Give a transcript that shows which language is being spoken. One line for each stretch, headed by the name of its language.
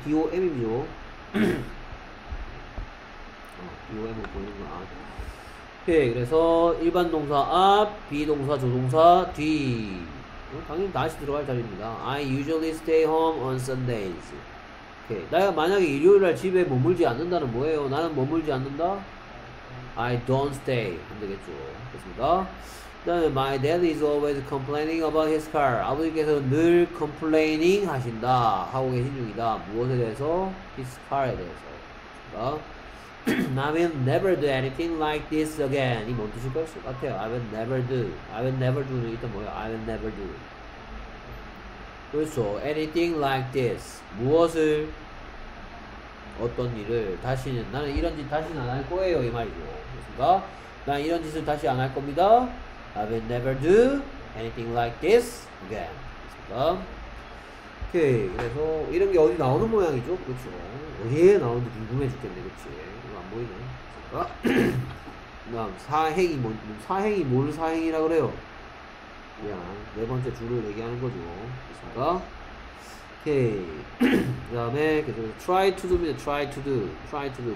Korean: D-O-M이죠. D-O-M을 보는구나. 오케이. 그래서 일반 동사 앞, 비동사, 조동사 뒤. 당연히 다시 들어갈 자리입니다.
English: I usually stay home on Sundays. 오케이.
Korean: 내가 만약에 일요일날 집에 머물지 않는다는 뭐예요? 나는 머물지 않는다?
English: I don't stay.
Korean: 안 되겠죠. 그렇습니다. 그 다음에
English: my dad is always complaining about his car.
Korean: 아버지께서 늘 complaining 하신다 하고 계신 중이다. 무엇에 대해서? his car에 대해서. 그러니까
English: I will never do anything like this again.
Korean: 이 뭔 뜻일 것 같아요?
English: I will never do. I will never do는 일단 뭐예요? I will never do. 그렇죠. anything like this.
Korean: 무엇을? 어떤 일을? 다시는 나는 이런 짓 다시는 안 할 거예요. 이 말이죠. 그렇습니까? 난 이런 짓을 다시 안 할 겁니다.
English: I will never do anything like this again.
Korean: 됐습니까? 오케이. 그래서, 이런 게 어디 나오는 모양이죠? 그렇죠. 어디에 나오는지 궁금해 죽겠네. 그치. 이거 안 보이네. 됐습니까? 그 다음, 사행이 뭔, 사행이 뭘 사행이라 그래요? 그냥, 네 번째 줄을 얘기하는 거죠. 됐습니까? 오케이. 그 다음에, 그래서,
English: try to do입니다. try to do. try to do.